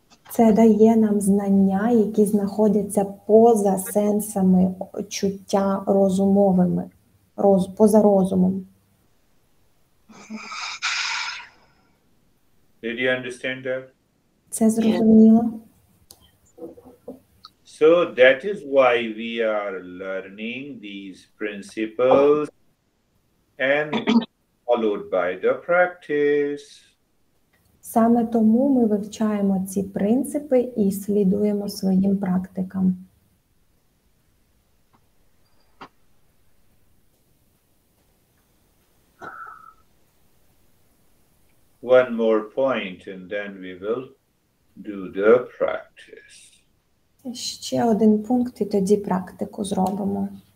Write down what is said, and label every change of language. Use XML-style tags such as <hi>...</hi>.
<uk>Це дає нам знання, які знаходяться поза сенсами, чуття розумовими, поза розумом.</uk> <en>Did you understand that?</en> <uk>Це зрозуміло.</uk> <en>So that is why we are learning these principles and followed by the practice.</en> <uk>Саме тому ми вивчаємо ці принципи і слідуємо своїм практикам.</uk> <en>One more point and then we will do the practice.</en> <uk>Ще один пункт, і тоді практику зробимо.</uk>